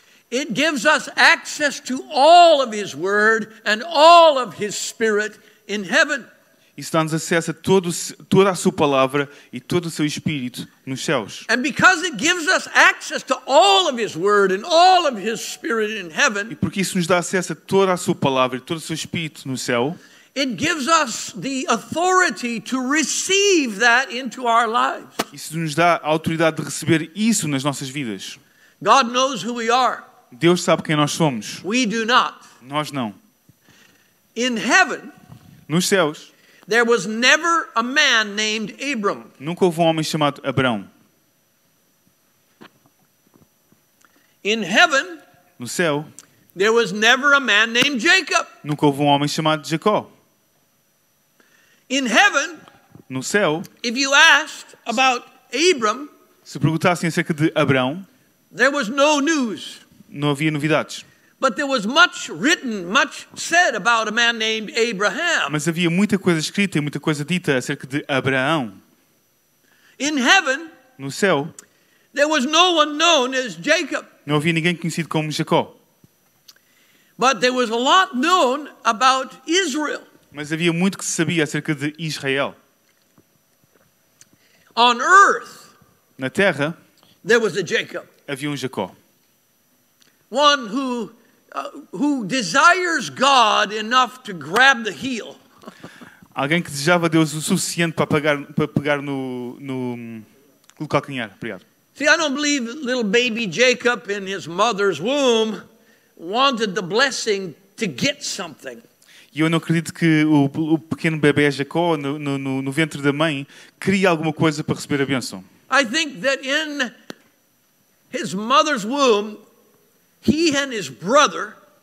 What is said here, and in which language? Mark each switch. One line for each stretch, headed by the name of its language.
English: It gives us access to all of His word and all of His spirit. In heaven.
Portuguese: Isso dá-nos acesso a toda a sua palavra e todo o seu espírito nos céus.
English: And because it gives us access to all of his word and all of his spirit in heaven.
Portuguese: E porque isso nos dá acesso a toda a sua palavra e todo o seu espírito no céu.
English: It gives us the authority to receive that into our lives.
Portuguese: Isso nos dá a autoridade de receber isso nas nossas vidas.
English: God knows who we are.
Portuguese: Deus sabe quem nós somos.
English: We do not.
Portuguese: Nós não.
English: In heaven.
Portuguese: Nos céus.
English: There was never a man named Abram.
Portuguese: Nunca houve um homem chamado Abrão.
English: In heaven.
Portuguese: No céu.
English: There was never a man named Jacob.
Portuguese: Nunca houve um homem chamado Jacó.
English: In heaven.
Portuguese: No céu.
English: If you asked about Abram.
Portuguese: Se perguntassem acerca de Abrão.
English: There was no news.
Portuguese: Não havia novidades.
English: But there was much written, much said about a man named Abraham.
Portuguese: Mas havia muita coisa escrita e muita coisa dita acerca de Abraão.
English: In heaven.
Portuguese: No céu.
English: There was no one known as Jacob.
Portuguese: Não havia ninguém conhecido como Jacó.
English: But there was a lot known about Israel.
Portuguese: Mas havia muito que se sabia acerca de Israel.
English: On earth.
Portuguese: Na terra.
English: There was a Jacob.
Portuguese: Havia um Jacó.
English: One who desires God enough to grab the heel.
Portuguese: Alguém que desejava Deus o suficiente para pegar no calcanhar. Obrigado.
English: See, I don't believe little baby Jacob in his mother's womb wanted the blessing to get something.
Portuguese: E eu não acredito que o pequeno bebê Jacó no ventre da mãe queria alguma coisa para receber a bênção.
English: I think that in his mother's womb he and his brother,